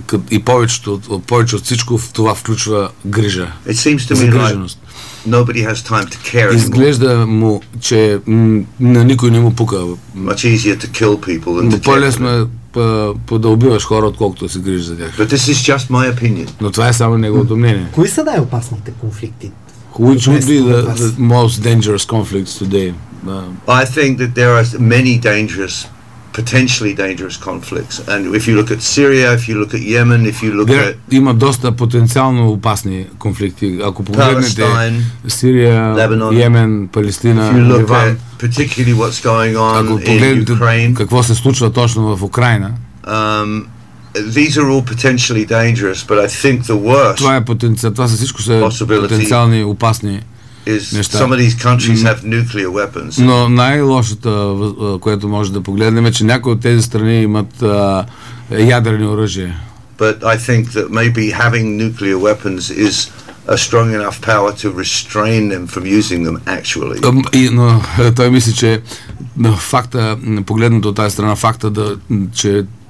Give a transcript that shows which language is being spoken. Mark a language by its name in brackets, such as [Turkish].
[Bulgarian] И повече от всичко това включва грижа. [English] It seems to me like nobody has time to care. [Bulgarian] Изглежда му, че на никой не му пука. [English] Much easier to kill people than to care. [Bulgarian] По-лесно е да убиваш хора, отколкото се грижиш за тях. [English] But this is just my opinion. [Bulgarian] Но това е само неговото мнение. Кои са най-опасните конфликти? [English] Which would be the most dangerous conflicts today? I think that there are many dangerous, potentially dangerous conflicts. And if you look at Syria, if you look at Yemen, if you look at... [Bulgarian] Има доста потенциално опасни конфликти. Ако погледнете Сирия, [English] Lebanon, [Bulgarian] Йемен, Палестина, [English] if you look [Bulgarian] Ливан, [English] particularly what's going on in Ukraine. [Bulgarian] Какво се случва точно в Украина? [English] These are all potentially dangerous, but I think the worst. [Bulgarian] Това е потенциално, това са всичко са потенциални опасни неща. [English] Some of these countries have nuclear weapons. [Bulgarian] Но най-лошото, което може да погледнем, е че някои от тези страни имат ядрени оръжия. [English] But I think that maybe having nuclear weapons is a strong enough power to restrain them from using them actually. [Bulgarian] Но той мисли, че факта, погледнато от тази страна, факта, че